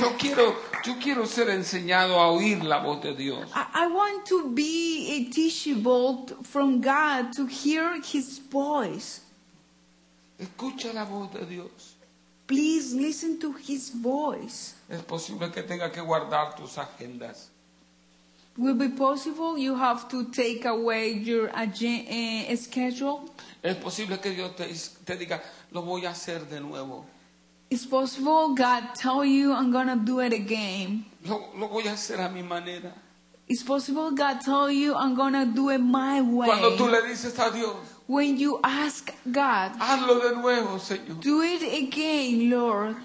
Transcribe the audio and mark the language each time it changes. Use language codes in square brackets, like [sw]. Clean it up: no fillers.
[es] Yo quiero ser enseñado a oír la voz de Dios. [en] I want to be a teachable from God to hear his voice. [es] Escucha la voz de Dios. [en] Please listen to his voice. [es] Es posible que tenga que guardar tus agendas. [en] Will be possible you have to take away your schedule. [es] Es posible que Dios te diga lo voy a hacer de nuevo. [en] It's possible God tell you I'm gonna do it again. [es] Lo voy a hacer a mi manera. [en] It's possible God tell you I'm gonna do it my way. [es] Cuando tú le dices a Dios, [en] when you ask God, [es] hazlo de nuevo, Señor. [en] Do it again, Lord.